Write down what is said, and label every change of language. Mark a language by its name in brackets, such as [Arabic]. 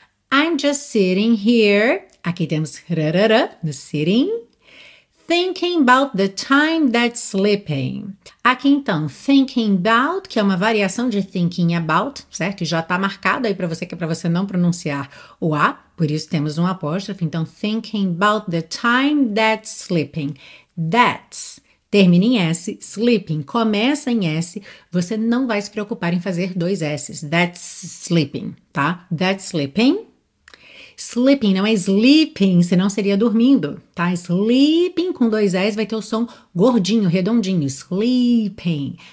[English] I'm just sitting here, [Portuguese] aqui temos rarara, no [English] sitting, thinking about the time that's slipping. [Portuguese] Aqui então, [English] thinking about, [Portuguese] que é uma variação de thinking about, certo? Já tá marcado aí para você, que é para você não pronunciar o A, por isso temos um apóstrofo. [English] Então, thinking about the time that's slipping. [Portuguese] That's, termina em S, slipping, começa em S, você não vai se preocupar em fazer dois S's. [English] That's slipping, [Portuguese] tá? That's slipping. Sleeping, não é sleeping, senão seria dormindo, tá? Sleeping com dois S vai ter o som gordinho, redondinho, sleeping.